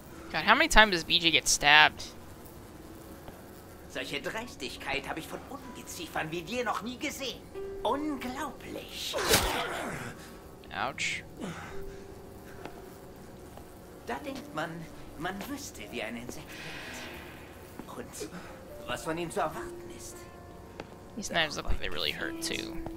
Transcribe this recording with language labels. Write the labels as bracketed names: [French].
[English] God, how many times does BJ get stabbed? [German] Solche Dreistigkeit habe ich von Ungeziefern wie dir noch nie gesehen. Unglaublich. Ouch. Da denkt man, man wüsste, wie ein Insekt wird. Und was von ihm zu erwarten ist. [English] These knives look like they really hurt too.